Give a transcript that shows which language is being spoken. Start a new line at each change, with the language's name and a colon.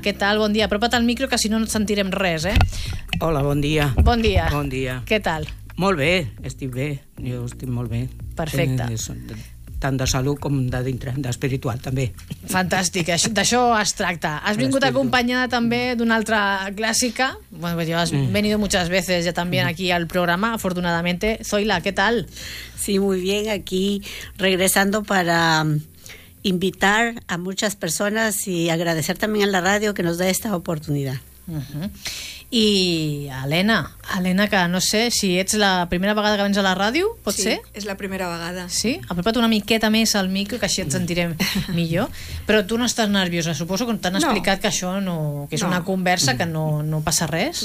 Catalan: Què tal? Bon dia. Apropa't al micro, que si no no et sentirem res, eh? Hola, bon dia. Bon dia. Bon dia. Què tal? Molt bé, estic bé. Jo estic molt bé. Perfecte. Tant de salut com de dintre, d'espiritual, també. Fantàstic, d'això es tracta. Has vingut acompanyada també d'una altra clàssica.
Spanish: Bueno, pues, has venido muchas veces ya también aquí al programa, afortunadamente. Zoila, ¿qué tal? Sí, muy bien, aquí regresando para invitar a muchas personas y agradecer también a la radio que nos da esta oportunidad. Uh-huh.
Catalan: I Helena, que no sé si ets la primera vegada que vens a la ràdio, pot sí, ser? Sí, és la primera vegada. Sí? Apropa't una miqueta més al micro, que així et sentirem millor. Però tu no estàs nerviosa, suposo que t'han explicat que això no, que és una conversa, que no passa res.